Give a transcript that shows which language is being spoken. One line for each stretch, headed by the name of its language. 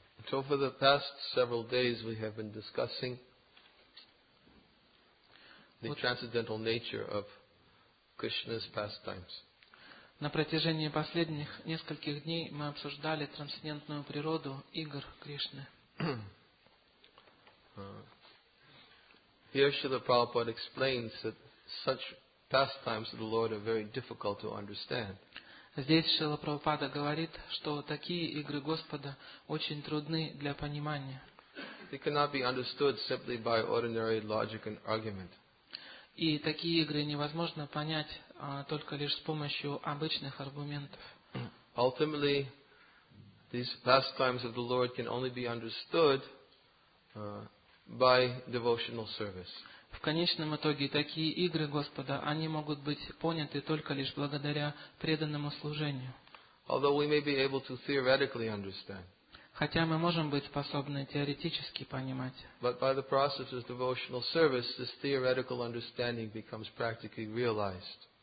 English: So for the past several days we have been discussing the transcendental nature of Krishna's pastimes.
Russian: На протяжении последних нескольких дней мы обсуждали трансцендентную природу игр Кришны.
English: Here Srila Prabhupada explains that such pastimes of the Lord are very difficult to understand.
Russian: Здесь Шрила Прабхупада говорит, что такие игры Господа очень трудны для понимания.
English: It cannot be understood simply by ordinary logic and argument.
Russian: И такие игры невозможно понять только лишь с помощью обычных аргументов.
English: Ultimately, these pastimes of the Lord can only be understood by devotional service.
Russian: В конечном итоге такие игры Господа, они могут быть поняты только лишь благодаря преданному служению.
English: Although we may be able to theoretically understand.
Russian: Хотя мы можем быть способны теоретически понимать.
English: But by the process of devotional service, this theoretical understanding becomes practically realized.